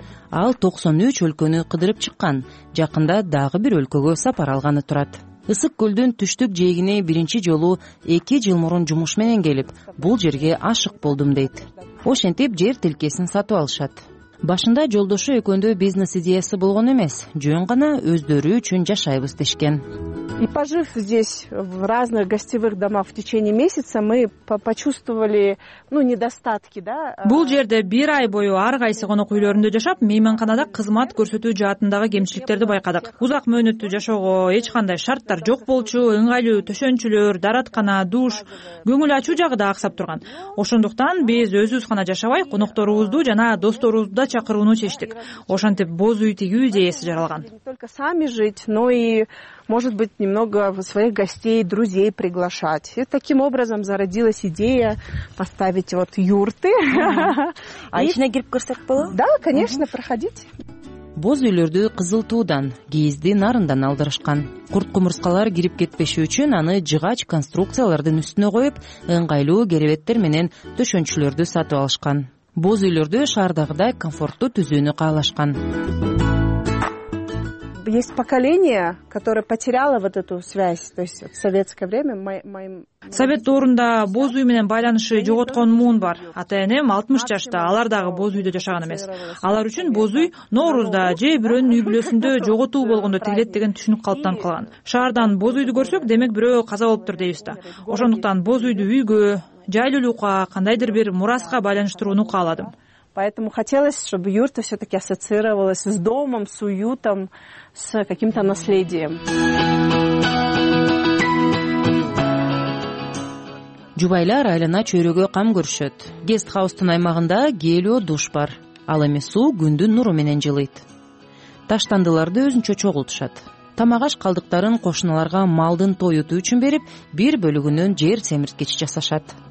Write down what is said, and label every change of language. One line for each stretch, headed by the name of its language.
Kyrgyz: Ал 93 өлкөнү кыдырып чыккан, жакында дагы бир өлкөгө сапар алганы турат. Ысык Көлдүн түштүк жээгине биринчи жолу 2 жыл мурун жумуш менен келип, бул жерге ашык болдум дейт. Ошентип жер тилкесин сатып алышат. Башында жолдошу экөөндө бизнес идеясы болгон эмес, жөн гана өздөрү үчүн жашайбыз дешкен.
Russian: И пожив здесь в разных гостевых домах в течение месяца, мы почувствовали, ну, недостатки, да?
Kyrgyz: Бул жерде бир ай бою ар кайсы конок үйлөрүндө жашап, мейманканада кызмат көрсөтүү жаатындагы кемчиликтерди байкадык. Узак мөөнөттү жашоого эч кандай шарттар жок болчу, ыңгайлуу төшөнчүлөр, дараткана, душ, көңүл ачуу жагы да аксап турган. Ошондуктан биз өзүбүз гана жашабай, конокторубузду жана досторубузду да чакырууну чечтик. Ошентип боз үй тигүү идеясы жаралган.
Russian: Только сами жить, но и может быть немного своих гостей, друзей приглашать. И таким образом зародилась идея поставить вот юрты.
Kyrgyz: А ичине кирип көрсөк болот?
Russian: Да, конечно, проходите.
Kyrgyz: Боз үйлөрдү кызыл туудан, кийизди нарындан алдырышкан. Курт кумурскалар кирип кетпеши үчүн аны жыгач конструкциялардын үстүнө коюп, ыңгайлуу керебеттер менен төшөнчүлөрдү сатып алышкан. Боз үйлөрдү шаардагыдай комфорттуу түзүүнү каалашкан.
Russian: Есть поколение, которое потеряло вот эту связь, то есть в советское время
Kyrgyz: Совет доорунда боз үй менен байланышы жоготкон муун бар. Ата-энем 60 жашта, алар дагы боз үйдө жашаган эмес. Алар үчүн боз үй Нооруздо же бирөөнүн үй бүлөсүндө жоготуу болгондо тигилет деген түшүнүк калыптанып калган. Шаардан боз үйдү көрсөк, демек бирөө каза болуптур дейбиз да. Ошондуктан боз үйдү үйгө, жайлуулукка, кандайдыр бир мураска байланыштырууну кааладым.
Russian: Поэтому хотелось, чтобы юрта все-таки ассоциировалась с домом, с уютом, с каким-то наследием.
Kyrgyz: Жубайлар айлана чөйрөгө кам көрүшөт. Гест хаустун аймагында гелио душ бар. Ал эми суу күндүн нуру менен жылыйт. Таштандыларды өзүнчө чогултушат. Тамагаш калдыктарын кошуналарга малдын тоюту үчүн берип, бир бөлүгүнөн жер семирткичи жасашат.